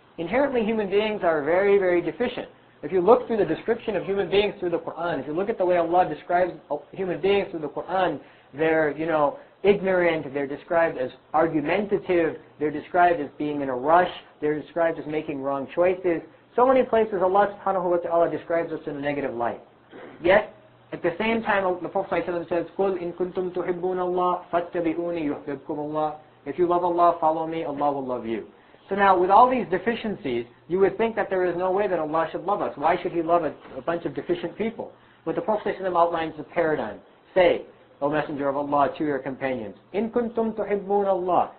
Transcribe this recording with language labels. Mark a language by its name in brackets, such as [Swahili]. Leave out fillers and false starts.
[English] Inherently, human beings are very, very deficient. If you look through the description of human beings through the Quran, if you look at the way Allah describes human beings through the Quran, they're, you know, ignorant, they're described as argumentative, they're described as being in a rush, they're described as making wrong choices. So many places Allah subhanahu wa ta'ala describes us in a negative light. Yet, at the same time, the Prophet ﷺ says, [Arabic] قُلْ إِن كُنْتُمْ تُحِبُّونَ اللَّهِ فَاتَّبِئُونِي يُحْبِبْكُمُ اللَّهِ. [English] If you love Allah, follow me, Allah will love you. So now, with all these deficiencies, you would think that there is no way that Allah should love us. Why should He love a bunch of deficient people? But the Prophet ﷺ outlines the paradigm. Say, O Messenger of Allah, to your companions, [Arabic] إِن كُنْتُمْ تُحِبُّونَ اللَّهِ.